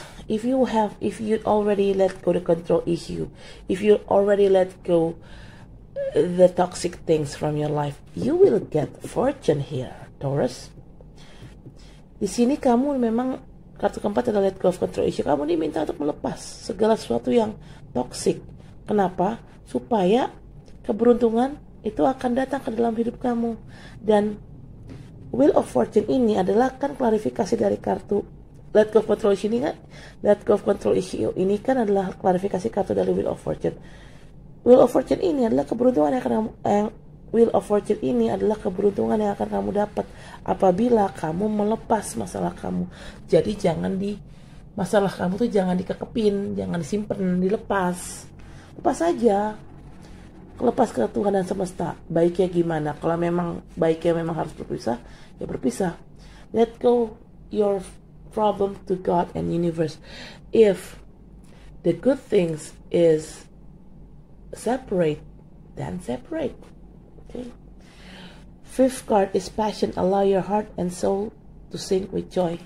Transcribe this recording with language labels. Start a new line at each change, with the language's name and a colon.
English: If you already let go the control issue, if you already let go the toxic things from your life, you will get fortune here, Taurus.
Indonesian: Di sini kamu memang kartu keempat adalah let go of control issue. Kamu diminta untuk melepas segala sesuatu yang toxic. Kenapa? Supaya keberuntungan itu akan datang ke dalam hidup kamu. Dan will of fortune ini adalah kan klarifikasi dari kartu let go of control issue ini kan? Let go of control issue ini kan adalah klarifikasi kartu dari will of fortune. Will of fortune ini adalah keberuntungan yang akan kamu, will of fortune ini adalah keberuntungan yang akan kamu dapat apabila kamu melepas masalah kamu. Jadi jangan di masalah kamu tuh jangan dikekepin, jangan disimpan, dilepas. Lepas saja. Lepas ke Tuhan dan semesta. Baiknya gimana? Kalau memang baiknya memang harus berpisah, ya berpisah.
English: Let go your problem to God and universe. If the good things is separate, then separate. Okay. Fifth card is passion. Allow your heart and soul to sing with joy.